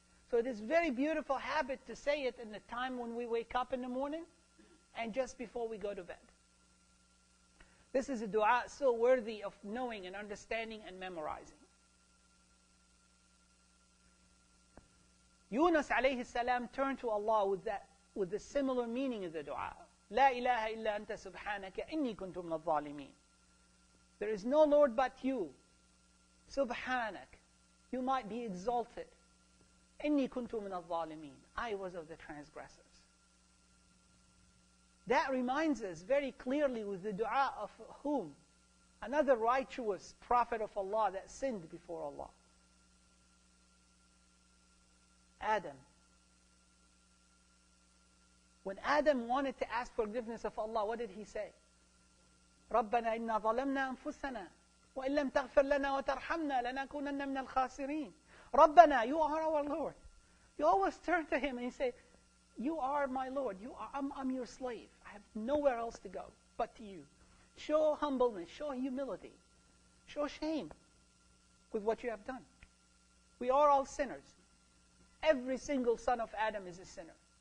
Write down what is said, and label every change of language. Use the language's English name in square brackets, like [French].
[English] So it is very beautiful habit to say it in the time when we wake up in the morning and just before we go to bed. This is a dua so worthy of knowing and understanding and memorizing. Yunus alayhi salam turned to Allah with a similar meaning of the dua. [Arabic] لا إله إلا أنت سبحانك إني كنت من الظالمين. [English] There is no Lord but you. سبحانك. You might be exalted. [Arabic] إِنِّي كُنْتُ مِنَ الظَّالِمِينَ [English] I was of the transgressors. That reminds us very clearly with the dua of whom? Another righteous prophet of Allah that sinned before Allah. Adam. When Adam wanted to ask forgiveness of Allah, what did he say? [Arabic] رَبَّنَا إِنَّا ظَلَمْنَا أَنفُسَنَا وَإِنْ لَمْ تَغْفِرْ لَنَا وَتَرْحَمْنَا لَنَكُونَنَّ مِنَ الْخَاسِرِينَ رَبَّنَا, [English] you are our Lord. You always turn to Him and you say, you are my Lord, you are, I'm your slave. I have nowhere else to go but to you. Show humbleness, show humility. Show shame with what you have done. We are all sinners. Every single son of Adam is a sinner.